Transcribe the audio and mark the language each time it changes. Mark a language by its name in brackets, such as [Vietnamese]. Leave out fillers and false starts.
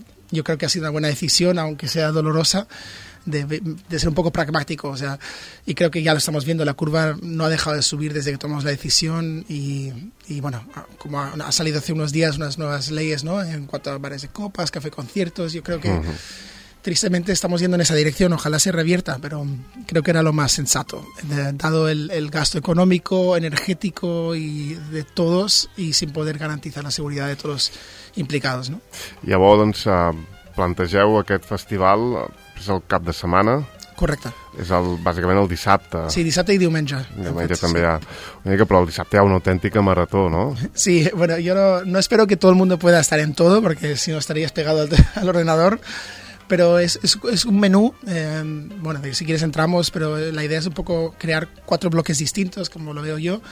[Spanish] yo creo que ha sido una buena decisión, aunque sea dolorosa, de ser un poco pragmático, o sea, y creo que ya lo estamos viendo, la curva no ha dejado de subir desde que tomamos la decisión y bueno, como ha salido hace unos días unas nuevas leyes, ¿no?, en cuanto a bares de copas, café conciertos, yo creo que, tristemente estamos yendo en esa dirección, ojalá se revierta, pero creo que era lo más sensato, dado el gasto económico, energético y de todos, y sin poder garantizar la seguridad de todos implicados, ¿no? [Catalan] Llavors, doncs, plantegeu aquest festival, és el cap de setmana. Correcte. És el, bàsicament el dissabte. Sí, dissabte i diumenge. Diumenge també hi ha. Una mica, però el dissabte hi ha una autèntica marató, no? [Spanish] Sí, bueno, yo no espero que todo el mundo pueda estar en todo, porque si no estarías pegado al ordenador. Pero es un menú, bueno, si quieres entramos, pero la idea es un poco crear cuatro bloques distintos, como lo veo yo.